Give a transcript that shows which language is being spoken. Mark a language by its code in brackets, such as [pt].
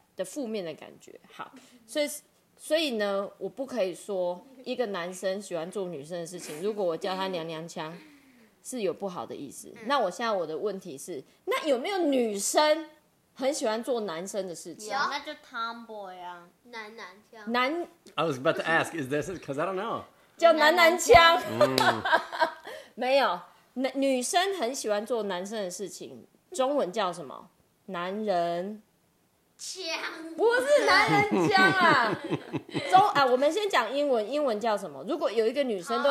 [zh] 的负面的感觉。好，所以呢，我不可以说一个男生喜欢做女生的事情，如果我叫他娘娘腔。是有不好的意思。那我现在我的问题是，那有没有女生很喜欢做男生的事情？有，那就 tomboy 啊，男男腔。 [en] I was about to ask, is this because I don't know? [zh] 叫男男腔。没有，女生很喜欢做男生的事情，中文叫什么？男人腔？不是男人腔啊。中啊，我们先讲英文，英文叫什么？如果有一个女生都